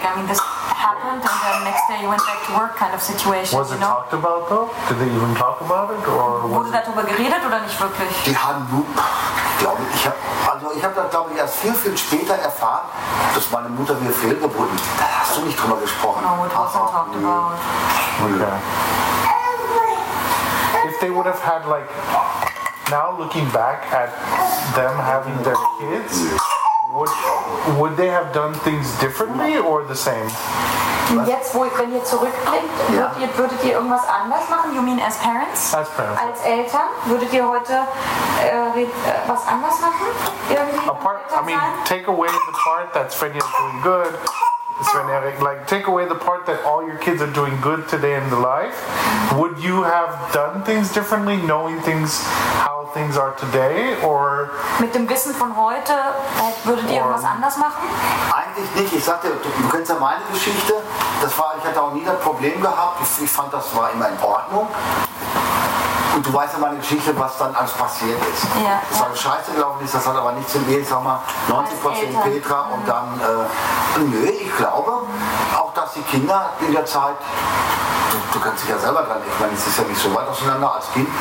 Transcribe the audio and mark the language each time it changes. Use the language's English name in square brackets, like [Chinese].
[English] I mean, this happened and then next day you went back to work kind of situation. Was it talked about though? Did they even talk about it? Or [German] wurde darüber geredet oder nicht wirklich? Die haben nur, glaube ich, ich habe das, glaube ich, erst viel, viel später erfahren, dass meine Mutter mir fehlgeboren. Da hast du nicht drüber gesprochen. [English] No, it wasn't talked about. Okay. If they would have had, like, now looking back at them having their kids... Would they have done things differently or the same? [German] Jetzt, wenn ihr zurückblickt, würdet ihr irgendwas anders machen? [English] You mean as parents? As parents. [German] Als Eltern? Würdet ihr heute was anders machen? Irgendwie [English] apart, I mean, take away the part that Svenja is doing good. Sven Erik, like, take away the part that all your kids are doing good today in the life. Would you have done things differently, knowing things, how things are today, or... [German] Mit dem Wissen von heute, würdet ihr irgendwas anders machen? Eigentlich nicht. Ich sagte, du kennst ja meine Geschichte. Ich hatte auch nie das Problem gehabt. Ich fand, das war immer in Ordnung. Und du weißt ja meine Geschichte, was dann alles passiert ist. Ja, dass alles scheiße gelaufen ist, das hat aber nichts im Weg, sag mal, 90% Petra und dann, nö, ich glaube auch, dass die Kinder in der Zeit, du kannst dich ja selber dran, ich meine, es ist ja nicht so weit auseinander als Kind.